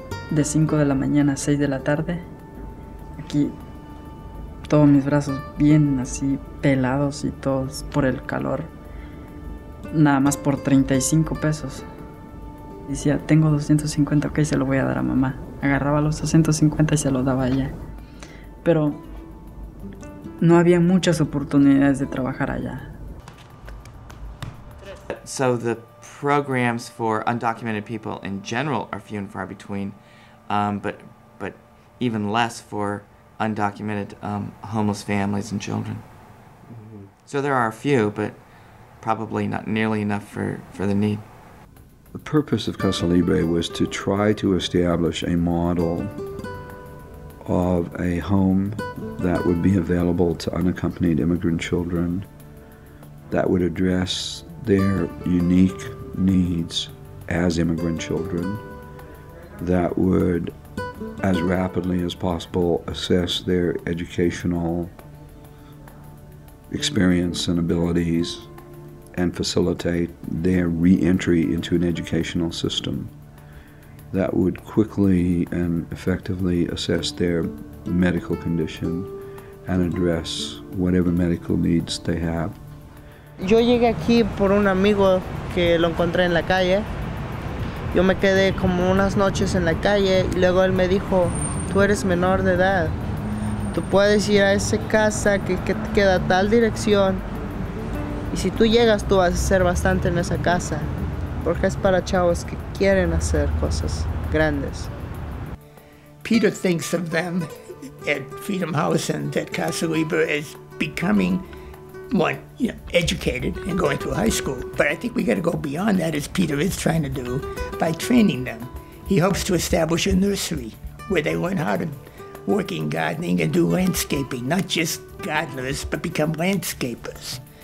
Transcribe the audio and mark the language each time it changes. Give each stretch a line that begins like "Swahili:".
Spanish: de 5 de la mañana a 6 de la tarde, aquí todos mis brazos bien así pelados y todos por el calor, nada más por 35 pesos. Decía, tengo 250, ok, se lo voy a dar a mamá. Agarraba los 250 y se lo daba a ella, pero no había muchas oportunidades de trabajar allá.
English: So the programs for undocumented people in general are few and far between, but even less for undocumented homeless families and children. Mm-hmm. So there are a few, but probably not nearly enough for the need. The purpose of Casa Libre was to try to establish a model of a home that would be available to unaccompanied immigrant children that would address their unique needs as immigrant children, that would as rapidly as possible assess their educational experience and abilities and facilitate their re-entry into an educational system, that would quickly and effectively assess their medical condition and address whatever medical needs they have.
Spanish: Yo llegué aquí por un amigo que lo encontré en la calle. Yo me quedé como unas noches en la calle y luego él me dijo, tú eres menor de edad. Tú puedes ir a esa casa que queda a tal dirección y si tú llegas, tú vas a hacer bastante en esa casa porque es para chavos que quieren hacer cosas grandes.
English: Peter thinks of them at Freedom House and at Casa Libre as becoming one, you know, educated and going through high school. But I think we got to go beyond that, as Peter is trying to do, by training them. He hopes to establish a nursery where they learn how to work in gardening and do landscaping, not just gardeners, but become landscapers.